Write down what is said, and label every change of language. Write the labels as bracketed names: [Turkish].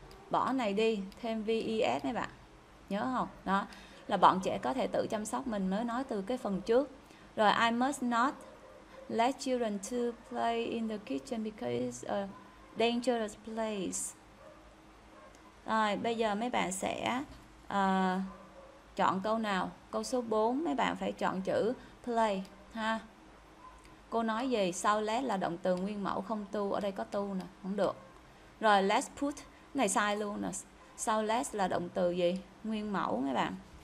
[Vietnamese] Bỏ này đi, thêm VES mấy bạn. Nhớ không? Đó, là bọn trẻ có thể tự chăm sóc mình, mới nói từ cái phần trước. [English] Rồi, I must not let children to play in the kitchen because it's a dangerous place. [Vietnamese] Rồi, bây giờ mấy bạn sẽ chọn câu nào? Câu số 4, mấy bạn phải chọn chữ play ha. Cô nói gì? Sau let là động từ nguyên mẫu không to, ở đây có to nè, không được. Rồi, let's put, này sai luôn nè. Sau let là động từ gì? Nguyên mẫu mấy bạn.